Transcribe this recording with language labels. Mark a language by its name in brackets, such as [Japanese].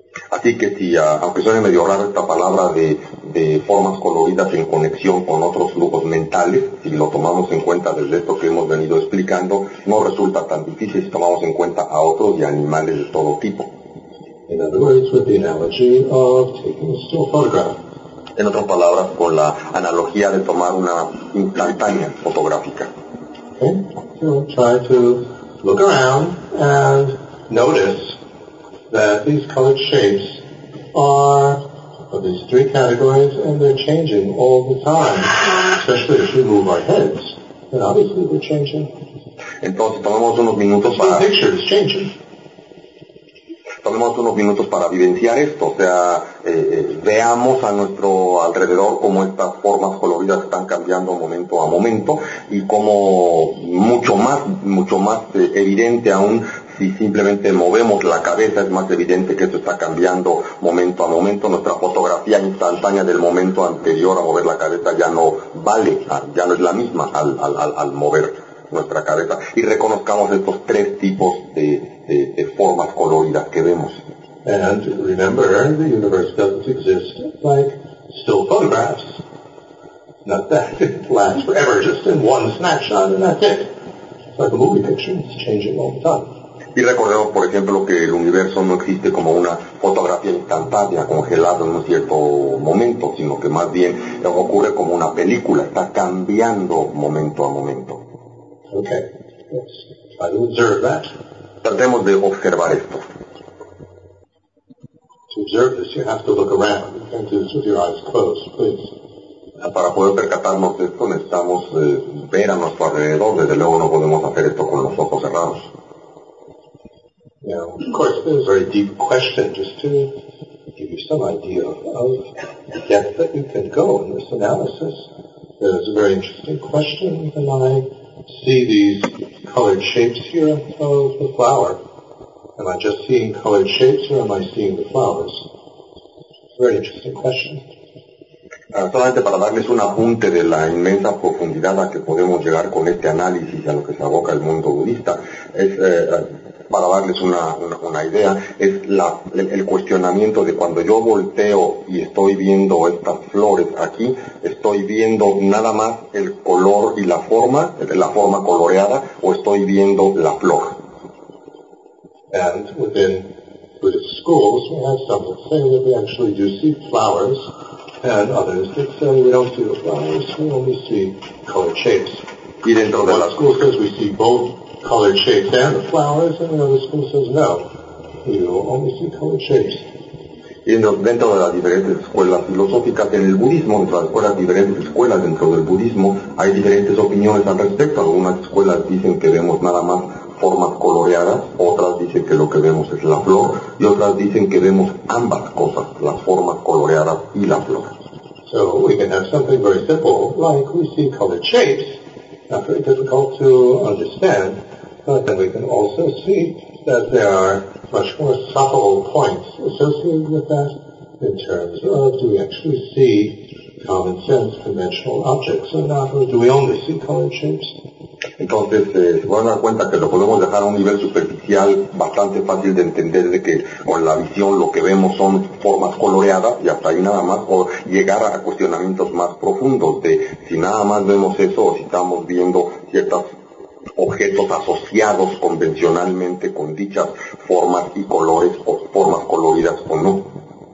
[Spanish] Así que si, aunque suene medio raro esta palabra de formas coloridas en conexión con otros grupos mentales, si lo tomamos en cuenta desde esto que hemos venido explicando, no resulta tan difícil si tomamos en cuenta a otros y animales de todo tipo. [English] In other words, with the analogy of taking a still photograph. [Spanish] En otras palabras, con la analogía de tomar una instantánea fotográfica. [English] Okay, so try to look around and notice that these colored shapes are of these three categories and they're changing all the time, especially if we move our heads. And obviously we're changing. [Spanish] Entonces, tomamos unos minutos para... [English] The picture is changing. [Spanish] Tomemos unos minutos para vivenciar esto, o sea, veamos a nuestro alrededor cómo estas formas coloridas están cambiando momento a momento y cómo mucho más evidente aún si simplemente movemos la cabeza, es más evidente que esto está cambiando momento a momento. Nuestra fotografía instantánea del momento anterior a mover la cabeza ya no vale, ya no es la misma al mover nuestra cabeza, y reconozcamos estos tres tipos de formas coloridas que vemos. [English] And remember, the universe doesn't exist like still photographs. Not that it lasts forever, just in one snapshot, and that's it. It's like a movie picture, it's changing all the time. [Spanish] Y recordemos, por ejemplo, que el universo no existe como una fotografía instantánea congelada en un cierto momento, sino que más bien ocurre como una película, está cambiando momento a momento. [English] Okay, let's try to observe that. [Spanish] Tratemos de observar esto. [English] To observe this, you have to look around. You can't do this with your eyes closed, please. [Spanish] Para poder percatarnos de esto, necesitamos ver a nuestro alrededor. Desde luego no podemos hacer esto con los ojos cerrados. [English] Now, of course, this is a very deep question, just to give you some idea of the depth that you can go in this analysis. There's a very interesting question in my... See these colored shapes here of the flower. Am I just seeing colored shapes or am I seeing the flowers? very interesting question. [Spanish] Solamente para darles un apunte de la inmensa profundidad a que podemos llegar con este análisis a lo que se aboca el mundo budista, es para darles una idea, es el cuestionamiento de cuando yo volteo y estoy viendo estas flores aquí, estoy viendo nada más el color y la forma coloreada, o estoy viendo la flor. [English] And within Buddhist schools, we have some saying that we actually do see flowers, and others that say we don't see the flowers, we only see colored shapes. [Spanish] Y dentro de [English] la school says we see both colored shapes and the flowers, and another school says no, you only see colored shapes. [Spanish] Y dentro de las diferentes escuelas filosóficas en el budismo, dentro de las diferentes escuelas dentro del budismo, hay diferentes opiniones al respecto. Algunas escuelas dicen que vemos nada más formas coloreadas, otras dicen que lo que vemos es la flor, y otras dicen que vemos ambas cosas, las formas coloreadas y la flor. [English] So we can have something very simple, like we see colored shapes, not very difficult to understand, but then we can also see that there are much more subtle points associated with that in terms of do we actually see common sense conventional objects or not, or do we only see colored shapes? [Spanish] Entonces, se van a dar cuenta que lo podemos dejar a un nivel superficial bastante fácil de entender, de que con la visión lo que vemos son formas coloreadas y hasta ahí nada más, o llegar a cuestionamientos más profundos de si nada más vemos eso o si estamos viendo ciertos objetos asociados convencionalmente con dichas formas y colores, o formas coloridas o no.